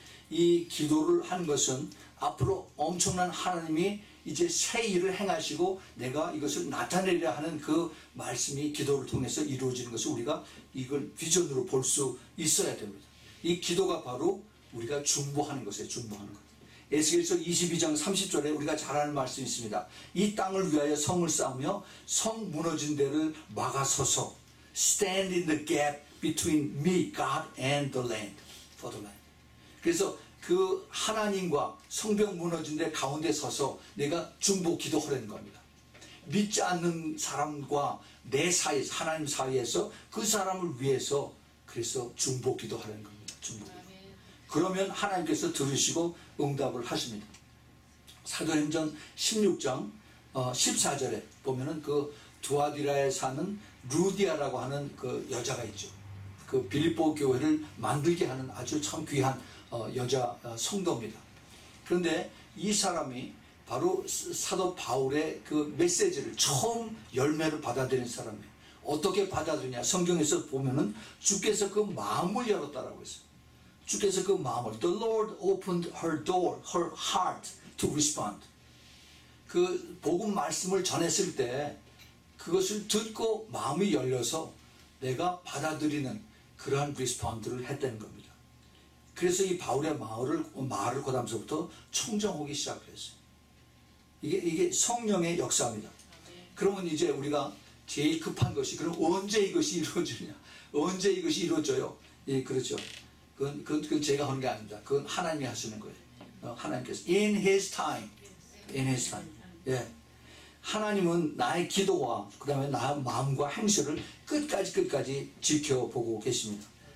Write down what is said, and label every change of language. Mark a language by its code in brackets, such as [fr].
[ko] 이 기도를 하는 것은 앞으로 엄청난 하나님이 이제 새 일을 행하시고 내가 이것을 나타내려 하는 그 말씀이 기도를 통해서 이루어지는 것을 우리가 이걸 비전으로 볼 수 있어야 됩니다. 이 기도가 바로 우리가 중보하는 것에 중보하는 것. 에스겔서 22장 30절에 우리가 잘 아는 말씀이 있습니다. 이 땅을 위하여 성을 쌓으며 성 무너진 데를 막아서서 [en] stand in the gap between me, God and the land [ko] for the land. 그래서 그 하나님과 성벽 무너진 데 가운데 서서 내가 중보 기도하라는 겁니다. 믿지 않는 사람과 내 사이, 하나님 사이에서 그 사람을 위해서 그래서 중보 기도하라는 겁니다. 중보 기도. 그러면 하나님께서 들으시고 응답을 하십니다. 사도행전 16장 14절에 보면은 그 두아디라에 사는 루디아라고 하는 그 여자가 있죠. 그 빌립보 교회를 만들게 하는 아주 참 귀한 여자 성도입니다. 그런데 이 사람이 바로 사도 바울의 그 메시지를 처음 열매를 받아들인 사람이에요. 어떻게 받아들이냐? 성경에서 보면은 주께서 그 마음을 열었다라고 했어요. 주께서 그 마음을 [en] The Lord opened her door, her heart to respond. [ko] 그 복음 말씀을 전했을 때 그것을 듣고 마음이 열려서 내가 받아들이는 그러한 리스폰드를 했다는 겁니다. 그래서 이 바울의 말을 그 다음서부터 청정하기 시작했어요. 이게 성령의 역사입니다. 그러면 이제 우리가 제일 급한 것이 그럼 언제 이것이 이루어지냐? 언제 이것이 이루어져요? 예, 그렇죠. 그건 제가 하는 게 아닙니다. 그건 하나님이 하시는 거예요. 하나님께서 [en] In His time. In His time. 예. [ko] 하나님은 나의 기도와 그 다음에 나의 마음과 행실을 끝까지 지켜보고 계십니다.